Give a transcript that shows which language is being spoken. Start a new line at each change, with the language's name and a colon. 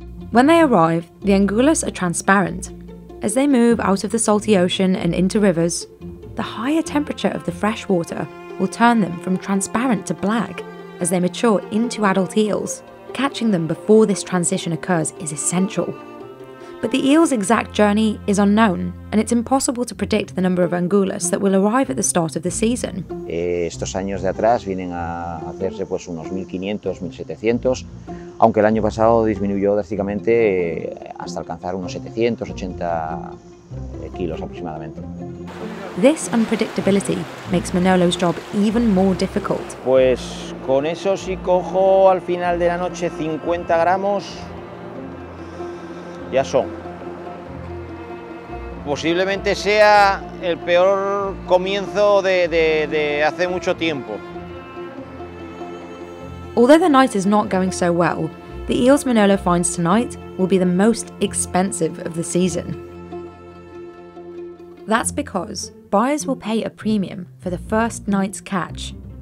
English: When they arrive, the angulas are transparent. As they move out of the salty ocean and into rivers, the higher temperature of the fresh water will turn them from transparent to black as they mature into adult eels, Catching them before this transition occurs is essential. But the eel's exact journey is unknown, and it's impossible to predict the number of angulas that will arrive at the start of the season.
Spanish: Estos años de atrás vienen a hacerse pues unos 1.500, 1.700, aunque el año pasado disminuyó drásticamente hasta alcanzar unos 780 kilos aproximadamente.
English: This unpredictability makes Manolo's job even more difficult.
Spanish: Pues con eso, si cojo al final de la noche 50 gramos, ya son. Posiblemente sea el peor comienzo de hace mucho tiempo.
English: Although the night is not going so well, the eels Manolo finds tonight will be the most expensive of the season. That's because buyers will pay a premium for the first night's catch.